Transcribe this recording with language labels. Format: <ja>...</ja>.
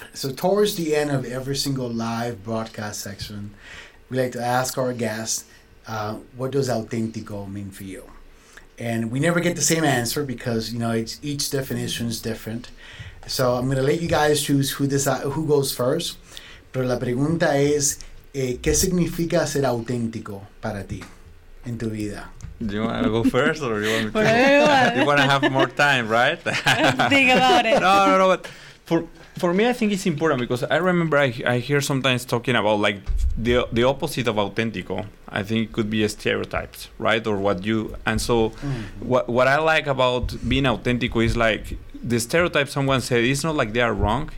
<en>So towards the end of every single live broadcast section, we like to ask our guests, what does auténtico mean for you? And we never get the same answer because, you know, it's, each definition is different. So I'm going to let you guys choose who goes first.</en> <es>Pero la pregunta es, ¿qué significa ser auténtico para ti en tu vida?</es> <en>Do you want to go first or do you want me to go? You want to have more time, right? Think about it. No. But for me, I think it's important because I remember I hear sometimes talking about like the opposite of auténtico. I think it could be a stereotypes, right? Or what you, and so what I like about being auténtico is like the stereotype someone said, it's not like they are wrong.</en>